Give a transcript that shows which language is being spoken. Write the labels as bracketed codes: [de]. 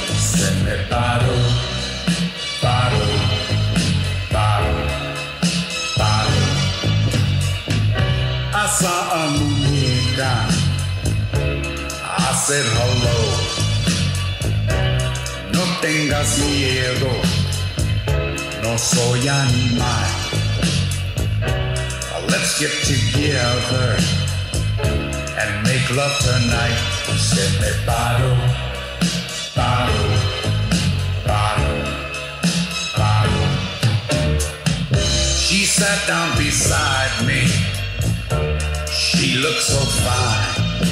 [es] Se me paro, paro, paro, paro. [en] I saw a muñeca, I said hello. [es] No tengas miedo, no soy animal. [en] Let's get together and make love tonight. [es] Se me paro, paro, paro, paro. [en] She sat down beside me. She looked so fine.